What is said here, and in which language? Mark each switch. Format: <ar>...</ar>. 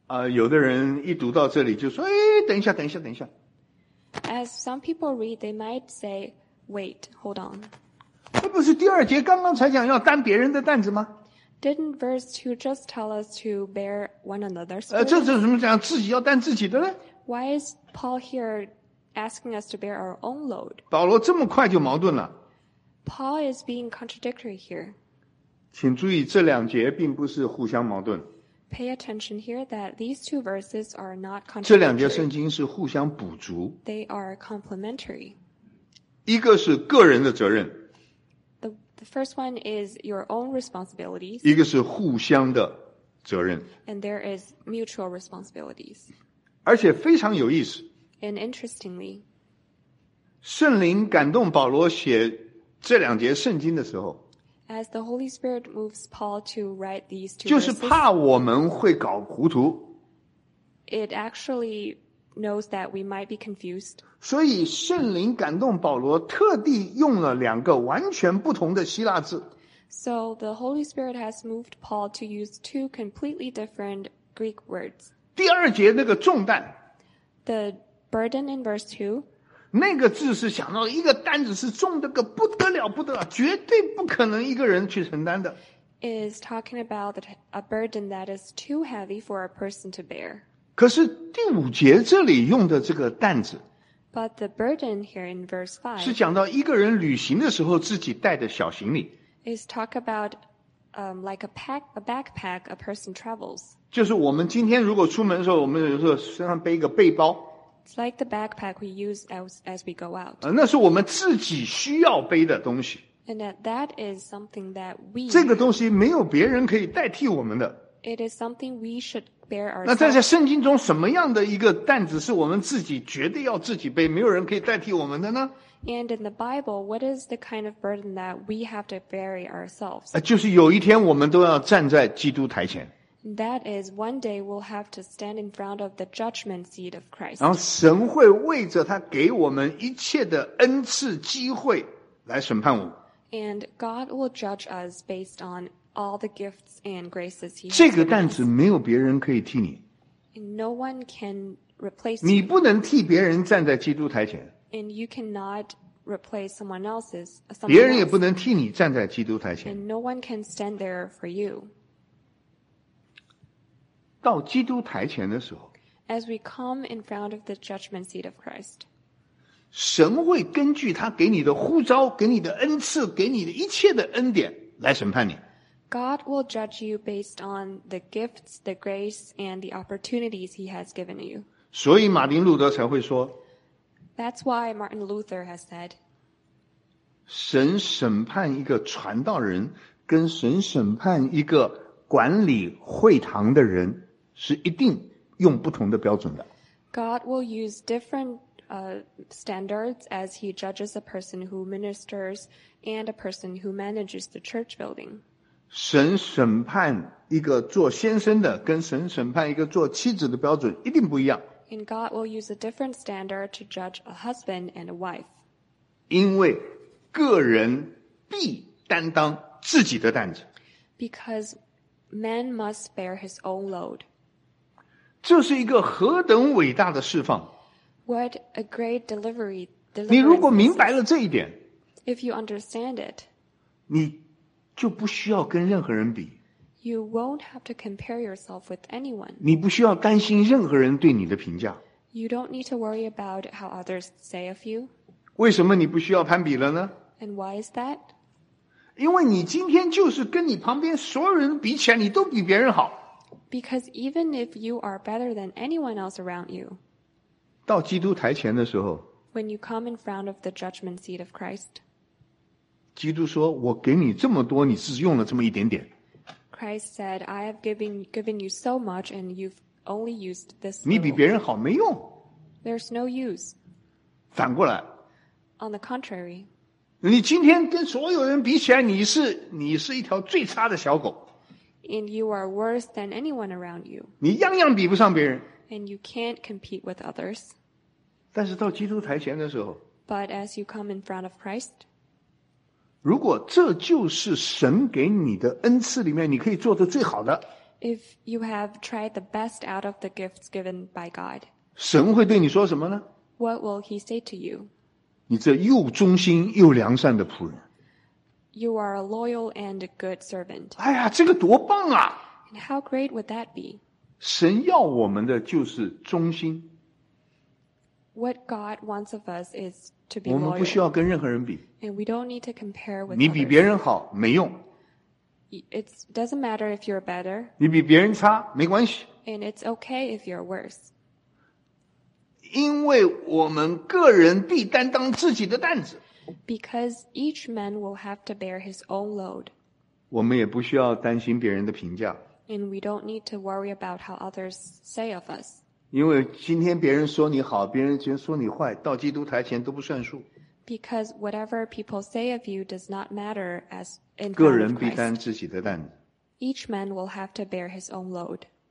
<zh>有的人一读到这里就说，哎，等一下，等一下，等一下。</zh> <en>As some people read, they might say, wait, hold on.</en> <zh>那不是第二节刚刚才讲要担别人的担子吗？</zh> <en>Didn't verse 2 just tell us to bear one another's burden?</en> <zh>这是什么讲自己要担自己的呢？</zh> <en>Why is Paul here asking us to bear our own load?</en> <zh>保罗这么快就矛盾了。</zh> <en>Paul is being contradictory here.</en> <zh>请注意这两节并不是互相矛盾。</zh> <en>Pay attention here that these two verses are not contradictory.</en> <zh>这两节圣经是互相补足。</zh> <en>They are complementary.</en> <zh>一个是个人的责任。</zh> <en>The first one is your own responsibilities.</en> <zh>一个是互相的责任。</zh> <en>And there is mutual responsibilities.</en> <zh>而且非常有意思。</zh> <en>And interestingly,</en> <zh>圣灵感动保罗写这两节圣经的时候，</zh> <en>As the Holy Spirit moves Paul to write these two,</en> <zh>就是怕我们会搞糊涂。</zh> <en>It actually knows that we might be confused.</en> <zh>所以圣灵感动保罗特地用了两个完全不同的希腊字。</zh> <en>So the Holy Spirit has moved Paul to use two completely different Greek words.</en> <zh>第二节那个重担。</zh> <en>The burden in verse 2.</en> <zh>那个字是想到一个担子是重的个不得了不得了，绝对不可能一个人去承担的。</zh> <en>Is talking about a burden that is too heavy for a person to bear.</en> <zh>可是第五节这里用的这个担子</zh> <en>But the burden here in verse 5</en> <zh>是讲到一个人旅行的时候自己带的小行李</zh> <en>Is talk about like a backpack a person travels.</en> <zh>就是我们今天如果出门的时候我们有时候身上背一个背包</zh> <en>It's like the backpack we use as we go out.</en> <zh>那是我们自己需要背的东西</zh> <en>And that is something that we</en> <zh>这个东西没有别人可以代替我们的</zh> <en>It is something we should bear ourselves</en> <zh>那站在圣经中什么样的一个担子是我们自己绝对要自己背没有人可以代替我们的呢</zh> <en>And in the Bible, what is the kind of burden that we have to bury ourselves</en> <zh>就是有一天我们都要站在基督台前</zh> <en>That is one day we'll have to stand in front of the judgment seat of Christ</en> <zh>然后神会为着他给我们一切的恩赐机会来审判我们</zh> <en>And God will judge us based on all the gifts and graces He has.</en> <zh>这个担子没有别人可以替你。</zh> <en>No one can replace.</en> <zh>你不能替别人站在基督台前。</zh> <en>And you cannot replace someone else's.</en> <zh>别人也不能替你站在基督台前。</zh> <en>And no one can stand there for you.</en> <zh>到基督台前的时候。</zh> <en>As we come in front of the judgment seat of Christ.</en> <zh>神会根据他给你的呼召给你的恩赐给你的一切的恩典来审判你</zh> <en>God will judge you based on the gifts, the grace, and the opportunities he has given you</en> <zh>所以马丁路德才会说</zh> <en>That's why Martin Luther has said</en> <zh>神审判一个传道人跟神审判一个管理会堂的人是一定用不同的标准的</zh> <en>God will use differentstandards as he judges a person who ministers and a person who manages the church building.</en> <zh>神审判一个做先生的跟神审判一个做妻子的标准一定不一样。</zh> <en>And God will use a different standard to judge a husband and a wife.</en> <zh>因为个人必担当自己的担子。</zh> <en>Because man must bear his own load.</en> <zh>这是一个何等伟大的释放。</zh> <en>What a great delivery!</en> <zh>你如果明白了这一点</zh> <en>，If you understand it，</en> <zh>你就不需要跟任何人比。</zh> <en>You won't have to compare yourself with anyone。</en> <zh>你不需要担心任何人对你的评价。</zh> <en>You don't need to worry about how others say of you。</en> <zh>为什么你不需要攀比了呢</zh> <en>？And why is that？</en> <zh>因为你今天就是跟你旁边所有人比起来，你都比别人好。</zh> <en>Because even if you are better than anyone else around you。</en> <zh>到基督台前的时候</zh> <en>When you come in front of the judgment seat of Christ</en> <zh>基督说我给你这么多你只用了这么一点点</zh> <en>Christ said I have given you so much and you've only used this little</en> <zh>你比别人好没用</zh> <en>There's no use</en> <zh>反过来</zh> <en>On the contrary</en> <zh>你今天跟所有人比起来你是一条最差的小狗</zh> <en>And you are worse than anyone around you</en> <zh>你样样比不上别人</zh> <en>And you can't compete with others.</en> <zh>但是到基督台前的时候</zh> <en>But as you come in front of Christ,</en> <zh>如果这就是神给你的恩赐里面你可以做的最好的</zh> <en>If you have tried the best out of the gifts given by God,</en> <zh>神会对你说什么呢</zh> <en>What will he say to you?</en> <zh>你这又忠心又良善的仆人</zh> <en>You are a loyal and a good servant.</en> <zh>哎呀这个多棒啊</zh> <en>And how great would that be?</en> <zh>神要我们的就是忠心。</zh> <en>What God wants of us is to be.</en> <zh>我们不需要跟任何人比。</zh> <en>And we don't need to compare with.</en> <zh>你比别人好没用。</zh> <en>It doesn't matter if you're better.</en> <zh>你比别人差没关系。</zh> <en>And it's okay if you're worse.</en> <zh>因为我们个人必担当自己的担子。</zh> <en>Because each man will have to bear his own load.</en> <zh>我们也不需要担心别人的评价。</zh> <en>And we don't need to worry about how others say of us.</en> <zh>因为今天别人说你好，别人今天说你坏，到基督台前都不算数。</zh> <en>Because whatever people say of you does not matter as in front of Christ.</en> <zh>个人必担自己的担子。</zh> <en>Each man will have to bear his own load.</en>